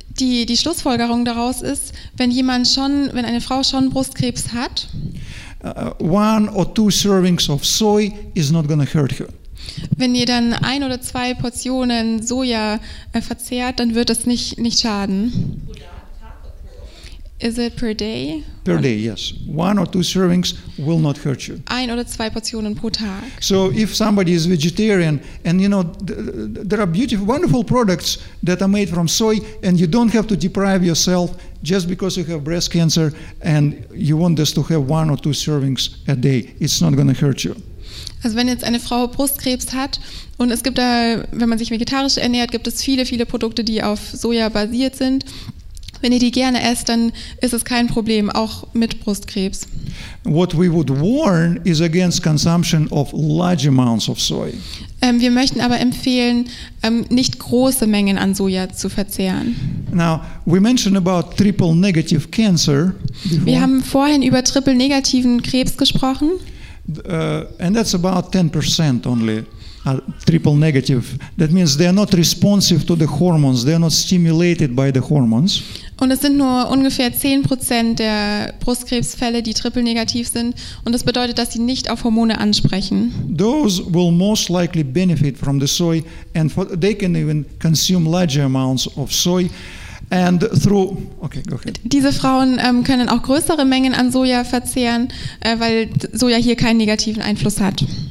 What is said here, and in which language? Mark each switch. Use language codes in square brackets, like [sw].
[de] Die Schlussfolgerung daraus ist, wenn eine Frau schon Brustkrebs hat, [en] one or two servings of soy is not going to hurt her. [de] Wenn ihr dann ein oder zwei Portionen Soja verzehrt, dann wird das nicht schaden. [en] Is it per day? Per day, yes. One or two servings will not hurt you. [de] Ein oder zwei Portionen pro Tag. [en] So if somebody is vegetarian and you know there are beautiful, wonderful products that are made from soy and you don't have to deprive yourself just because you have breast cancer and you want just to have one or two servings a day, it's not going to hurt you. [de] Also wenn jetzt eine Frau Brustkrebs hat und es gibt da, wenn man sich vegetarisch ernährt, gibt es viele, viele Produkte, die auf Soja basiert sind. Wenn ihr die gerne esst, dann ist es kein Problem, auch mit Brustkrebs. [en] What we would warn is against consumption of large amounts of soy. [de] Wir möchten aber empfehlen, nicht große Mengen an Soja zu verzehren. [en] Now, we mentioned about triple negative cancer before. [de] Wir haben vorhin über triple negativen Krebs gesprochen. [en] And that's about 10% only. Triple negative. That means they are not responsive to the hormones. They are not stimulated by the hormones. [de] Und es sind nur ungefähr 10% der Brustkrebsfälle, die triple negativ sind. Und das bedeutet, dass sie nicht auf Hormone ansprechen. [en] Those will most likely benefit from the soy, and they can even consume larger amounts of soy. And through, okay, go ahead. [de] Diese Frauen können auch größere Mengen an Soja verzehren, weil Soja hier keinen negativen Einfluss hat.